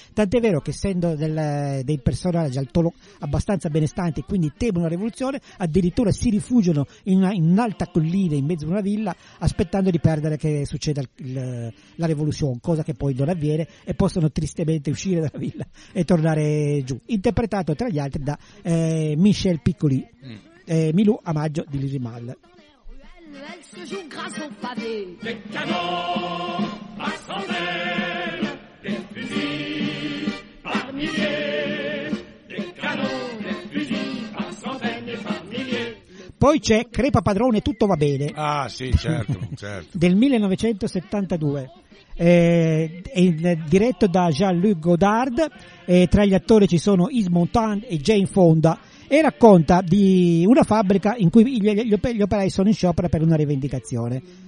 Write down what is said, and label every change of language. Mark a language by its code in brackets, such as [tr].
[it] Tant'è vero che essendo dei personaggi abbastanza benestanti, quindi temono la rivoluzione, addirittura si rifugiano in un'alta collina in mezzo a una villa aspettando di perdere che succeda la rivoluzione, cosa che poi non avviene, e possono tristemente uscire dalla villa e tornare giù. Interpretato tra gli altri da Michel Piccoli. Milou a maggio di Louis Malle. [fr] Elle se joue grâce au pavé. Des canons par centaines, des fusils par milliers, des canons, des fusils par centaines et par milliers. [it] Poi c'è Crepa padrone, tutto va bene. Ah sì, certo, certo. Del 1972. Diretto da Jean-Luc Godard, tra gli attori ci sono Yves Montand e Jane Fonda, e racconta di una fabbrica in cui gli operai sono in sciopero per una rivendicazione.